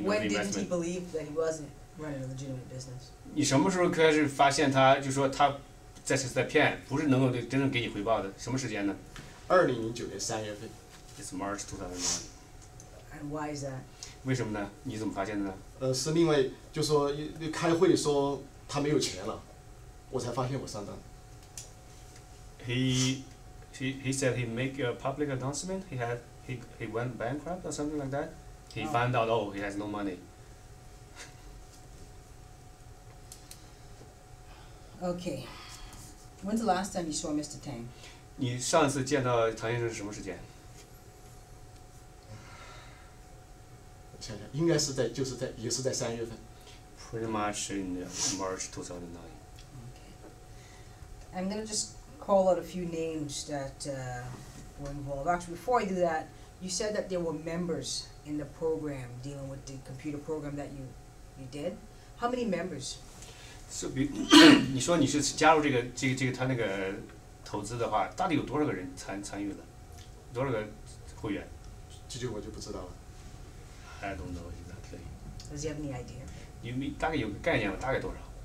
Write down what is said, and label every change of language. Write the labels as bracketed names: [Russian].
[English] When didn't he believe that he wasn't running a legitimate business? [Chinese] 你什么时候开始发现他就说他这是在骗，不是能够真正给你回报的？什么时间呢? 2009年3月份. [English] It's March 2009. And why is that? [Chinese] 为什么呢?你怎么发现的呢? 是另外就说开会说他没有钱了，我才发现我上当。 [English] He said he make a public announcement. He went bankrupt or something like that. He found out oh he has no money. Okay, when's the last time you saw Mr. Tang? [Chinese] 你上次见到唐先生是什么时间? 想想应该是在就是在也是在三月份。 [English] Pretty much in March 2009. Okay, I'm gonna just call out a few names that were involved. Actually, before I do that, you said that there were members in the program dealing with the computer program that you did. How many members? [Chinese] So, 你说你是加入这个他那个投资的话，到底有多少个人参与了，多少个会员？这就我就不知道了。 [English] I don't know exactly. Does he have any idea? [Chinese] 你大概有个概念吗？大概多少？